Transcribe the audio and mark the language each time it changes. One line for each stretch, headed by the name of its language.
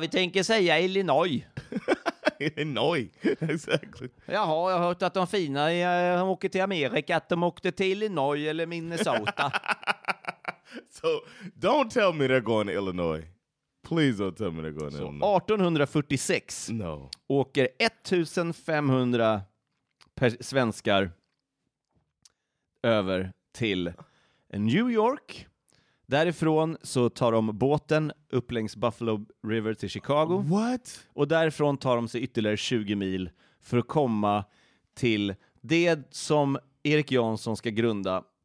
Swedish: Vi tänker säga Illinois.
English: Illinois, exactly.
Swedish: Jaha, jag har hört att de fina åker till Amerika, att de åkte till Illinois eller Minnesota.
English: So, don't tell me they're going to Illinois. Please don't tell me they're going to Illinois. 1846, no,
Swedish: åker 1500 svenskar över till New York. Därifrån så tar de båten upp längs Buffalo River till Chicago.
English: What?
Swedish: Och därifrån tar de sig ytterligare 20 mil för att komma till det som Erik Jansson ska grunda.